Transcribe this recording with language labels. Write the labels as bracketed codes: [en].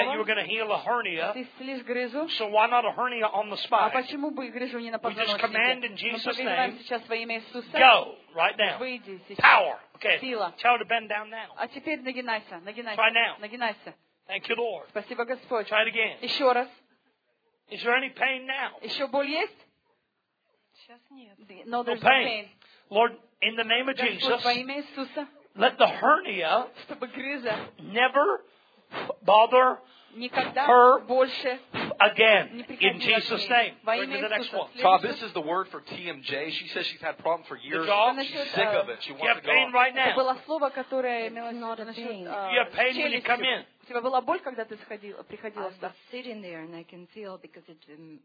[en] That you were going to heal a hernia. [ru] Ты исцелишь грыжу. [en] So why not a hernia on the spine? [ru] А почему бы грыжу не на позвоночнике? [en] We just command in Jesus' name. [ru] Мы повелеваем сейчас во имя Иисуса. [en] Go right now. [ru] Выйди сейчас. [en] Power. Okay. [ru] Сила. [en] Tell her to bend down now. [ru] А теперь нагинайся, нагинайся. [en] Try now. [ru] Нагинайся. [en] Thank you, Lord. [ru] Спасибо, Господь. [en] Try it again. [ru] Еще раз. [en] Is there any pain now? [ru] Еще боль есть? Сейчас нет. [en] No, there's no pain. Lord, in the name of Jesus. [ru] Господь, во имя Иисуса. [en] Let the hernia never bother her again in Jesus' name. Bring me the next one. Tom, this is the word for TMJ. She says she's had problems for years. She's sick of it. She wants to go. You have pain right now. [ru] Было слово, которое имело [en] You have pain when you come in. [ru] У тебя была боль, когда ты сходила, приходила сюда? [en] I'm sitting there and I can feel because it's been...